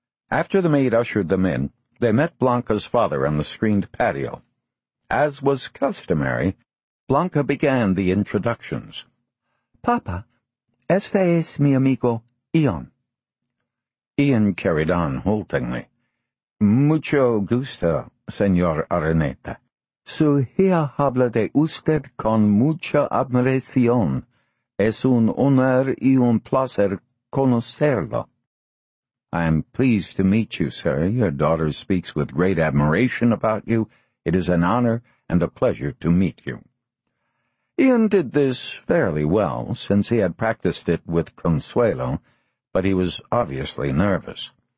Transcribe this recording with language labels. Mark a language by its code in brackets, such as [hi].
[en] After the maid ushered them in, they met Blanca's father on the screened patio. As was customary, Blanca began the introductions. [es] Papa, este es mi amigo, Ian. [en] Ian carried on haltingly. [es] Mucho gusto, señor Araneta. Su hija habla de usted con mucha admiración. Es un honor y un placer conocerlo. [en] I am pleased to meet you, sir. Your daughter speaks with great admiration about you. It is an honor and a pleasure to meet you. Ian did this fairly well, since he had practiced it with Consuelo, but he was obviously nervous.